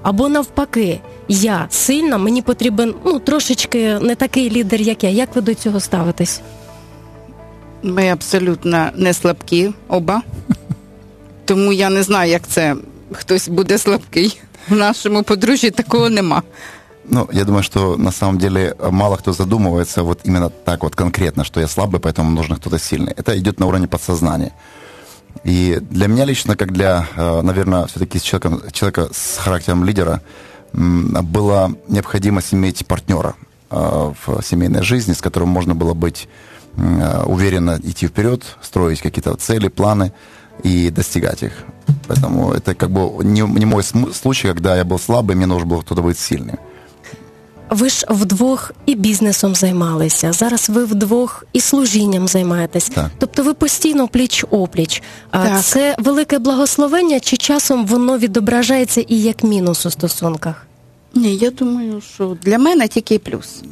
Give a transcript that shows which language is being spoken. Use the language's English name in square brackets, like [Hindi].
[Ukrainian] Або навпаки, я сильна, мені потрібен трошечки не такий лідер, як я. Як ви до цього ставитесь? Ми абсолютно не слабкі оба. Тому я не знаю, як це, хтось буде слабкий. В нашому подружжі такого нема. [Russian] Ну, я думаю, что на самом деле мало кто задумывается вот именно так вот конкретно, что я слабый, поэтому нужен кто-то сильный. Это идет на уровне подсознания. И для меня лично, как для, наверное, все-таки человека с характером лидера, была необходимость иметь партнера в семейной жизни, с которым можно было быть уверенно идти вперед, строить какие-то цели, планы и достигать их. Поэтому это как бы не мой случай, когда я был слабый, мне нужен был кто-то быть сильным. [Ukrainian] Ви ж вдвох і бізнесом займалися, зараз ви вдвох і служінням займаєтесь. Так. Тобто ви постійно пліч-опліч. Так. Це велике благословення, чи часом воно відображається і як мінус у стосунках? Ні, я думаю, що для мене тільки плюс.